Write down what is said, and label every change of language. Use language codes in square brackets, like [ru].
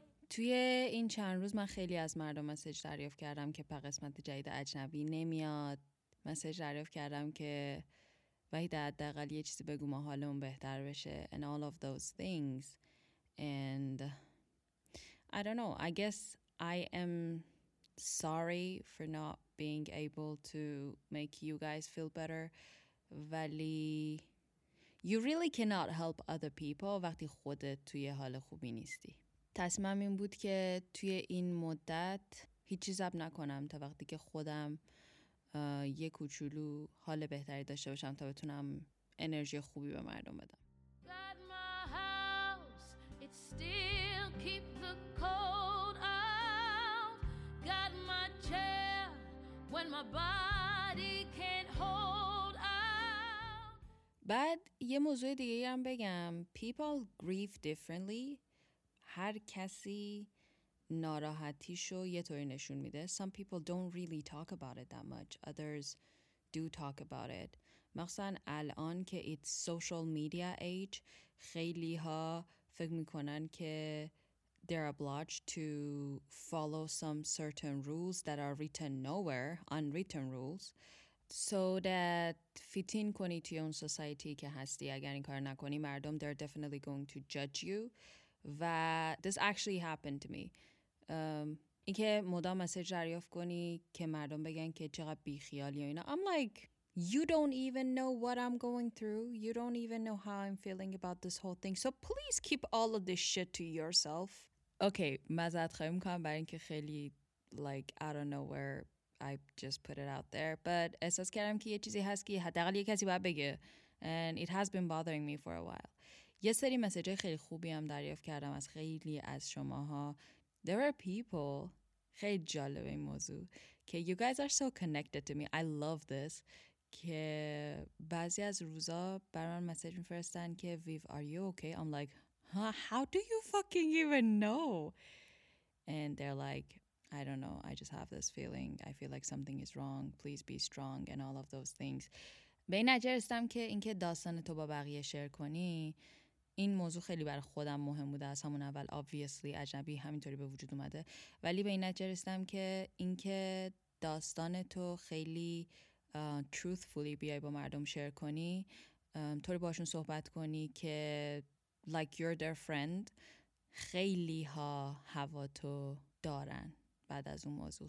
[fa] توی این چند روز من خیلی از مردم مسیج دریافت کردم که پر قسمت جدید اجنبی نمیاد. مسیج دریافت کردم که وحید حداقل یه چیزی بگو ما حالمون بهتر بشه. [en] And all of those things. And I don't know. I guess I am sorry for not being able to make you guys feel better. [fa] ولی [en] you really cannot help other people [fa] وقتی خودت توی حال خوبی نیستی. تصمیمم این بود که توی این مدت هیچی زب نکنم تا وقتی که خودم یه کوچولو حال بهتری داشته باشم تا بتونم انرژی خوبی به مردم بدم. [en] Got my house, it's still keep the cold out. Got my chair when my body can't hold out. [fa] بعد یه موضوع دیگه هم بگم. [en] People grieve differently. [fa] هر کسی ناراحتیشو یه طوری نشون میده. [en] Some people don't really talk about it that much. Others do talk about it. [fa] مخصوصاً الان که [en] it's social media age، [fa] خیلی ها فکر میکنن که [en] they're obliged to follow some certain rules that are written nowhere, unwritten rules, so that fit in [fa] کنی توی اون سوسایتی که هستی. اگر این کار نکنی مردم [en] they're definitely going to judge you. و this actually happened to me. [fa] این که مدام مسیج دریافت کنی که مردم بگن که چقدر بیخیالی و اینا. [en] I'm like, you don't even know what I'm going through. You don't even know how I'm feeling about this whole thing. So please keep all of this shit to yourself. Okay, [fa] معذرت خواهی میکنم برای این که خیلی [en] like, I don't know where I just put it out there. [fa] But احساس کردم که یه چیزی هست که حداقل یه کسی باید بگه. [en] And it has been bothering me for a while. [fa] یه سری مسیجه خیلی خوبی هم دریافت کردم از خیلی از شماها. [en] There are people, [fa] خیلی جالبه این موضوع, [en] که you guys are so connected to me, I love this, [fa] که بعضی از روزا برای من مسیج میفرستن که [en] Viv, are you okay? I'm like, huh, how do you fucking even know? And they're like, I don't know, I just have this feeling, I feel like something is wrong, please be strong, and all of those things. [fa] به این نجر استم که اینکه داستان تو با بقیه شیر کنی, این موضوع خیلی برای خودم مهم بوده از همون اول. obviously اجنبی همینطوری به وجود اومده, ولی به این نتیجه رسیدم که اینکه داستان تو خیلی truthfully بیای با مردم شیر کنی, طوری باشون صحبت کنی که [en] like you're their friend, [fa] خیلی ها هوا تو دارن بعد از اون موضوع.